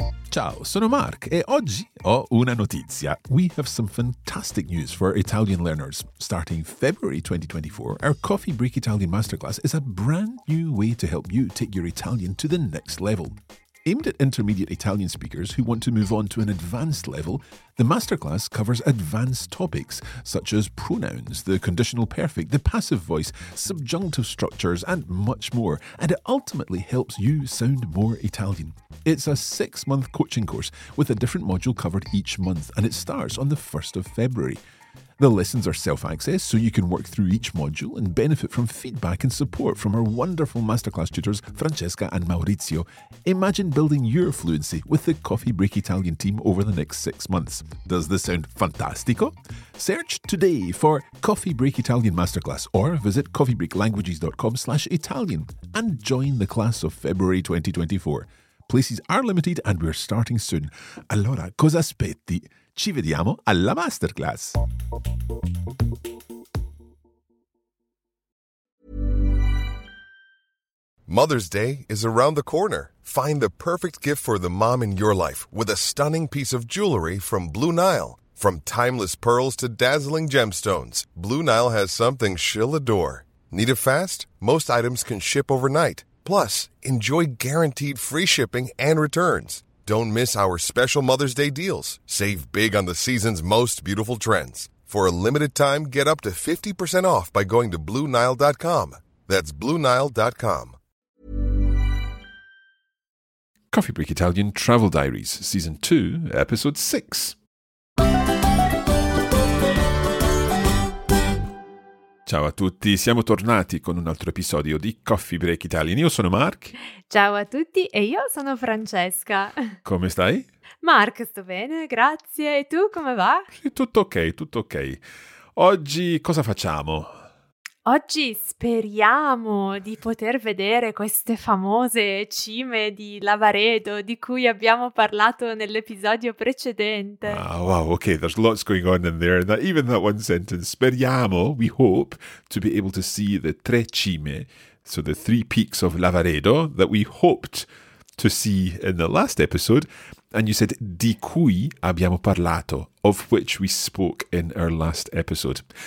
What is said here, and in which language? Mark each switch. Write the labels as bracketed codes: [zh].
[it] Ciao, sono Mark e oggi ho una notizia. [en] We have some fantastic news for Italian learners. Starting February 2024, our Coffee Break Italian Masterclass is a brand new way to help you take your Italian to the next level. Aimed at intermediate Italian speakers who want to move on to an advanced level, the masterclass covers advanced topics such as pronouns, the conditional perfect, the passive voice, subjunctive structures, and much more, and it ultimately helps you sound more Italian. It's a six-month coaching course with a different module covered each month, and it starts on the 1st of February. The lessons are self-access, so you can work through each module and benefit from feedback and support from our wonderful masterclass tutors, Francesca and Maurizio. Imagine building your fluency with the Coffee Break Italian team over the next 6 months. Does this sound fantastico? Search today for Coffee Break Italian Masterclass or visit coffeebreaklanguages.com/Italian and join the class of February 2024. Places are limited and we're starting soon. [it] Allora, cosa aspetti? Ci vediamo alla masterclass. [en] Mother's Day is around the corner. Find the perfect gift for the mom in your life with a stunning piece of jewelry from Blue Nile. From timeless pearls to dazzling gemstones, Blue Nile has something she'll adore. Need it fast? Most items can ship overnight. Plus, enjoy guaranteed free shipping and returns. Don't miss our special Mother's Day deals. Save big on the season's most beautiful trends. For a limited time, get up to 50% off by going to BlueNile.com. That's BlueNile.com. Coffee Break Italian Travel Diaries, Season 2, Episode 6. [it] Ciao a tutti, siamo tornati con un altro episodio di Coffee Break Italian. Io sono Mark. Ciao a tutti e io sono Francesca. Come stai? Mark, sto bene, grazie. E tu, come va? Tutto ok, tutto ok. Oggi cosa facciamo? Oggi speriamo di poter vedere queste famose cime di Lavaredo di cui abbiamo parlato nell'episodio precedente. [en] Ah, wow, ok, there's lots going on in there. That, even that one sentence, speriamo, we hope, to be able to see the tre cime, so the three peaks of Lavaredo that we hoped to see in the last episode. And you said, [it] di cui abbiamo parlato, [en] of which we spoke in our last episode.